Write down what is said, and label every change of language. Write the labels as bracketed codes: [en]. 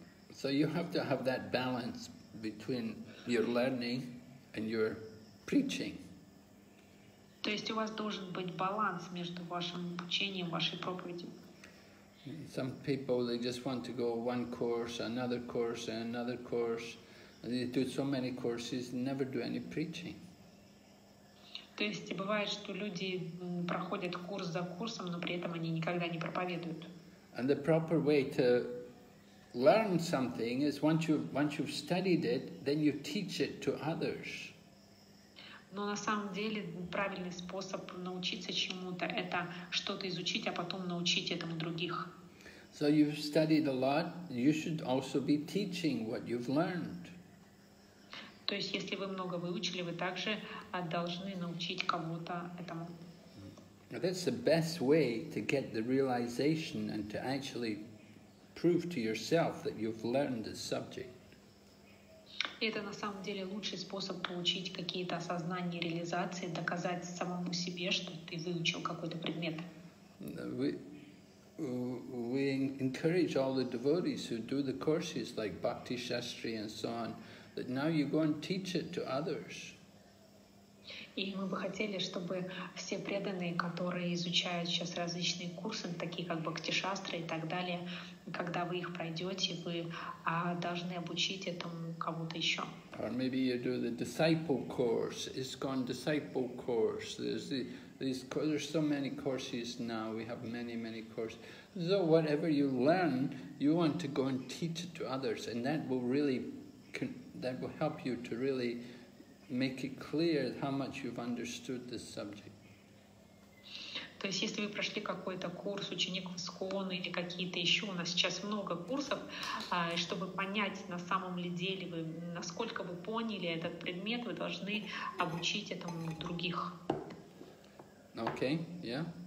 [en] So you have to have that balance between your learning and your preaching. [ru] То есть у вас должен быть баланс между вашим обучением, вашей проповедью. [en] Some people, they just want to go one course, another course, and another course. They do so many courses, never do any preaching. [ru] То есть бывает, что люди проходят курс за курсом, но при этом они никогда не проповедуют. [en] And the proper way to learn something is once you've studied it, then you teach it to others. [ru] Но на самом деле правильный способ научиться чему-то – это что-то изучить, а потом научить этому других. [en] So you've studied a lot, you should also be teaching what you've learned. [ru] То есть, если вы много выучили, вы также должны научить кого-то этому. [en] That's the best way to get the realization and to actually prove to yourself that you've learned the subject. [ru] Это на самом деле лучший способ получить какие-то осознания, реализации, доказать самому себе, что ты выучил какой-то предмет. [en] We encourage all the devotees who do the courses like Bhakti Shastri and so on, that now you go and teach it to others. [ru] И мы бы хотели, чтобы все преданные, которые изучают сейчас различные курсы, такие как Бхакти-шастры и так далее, когда вы их пройдете, вы должны обучить этому кому-то еще. [en] Or maybe you do the disciple course, ISKCON disciple course. There's so many courses now. We have many, many courses. So whatever you learn, you want to go and teach it to others, and that will help you to really make it clear how much you've understood this subject. [ru] То есть, если вы прошли какой-то курс ученик в ИСКОН или какие-то еще, у нас сейчас много курсов, чтобы понять на самом ли деле, вы, насколько вы поняли этот предмет, вы должны обучить этому других. [en] Okay, yeah.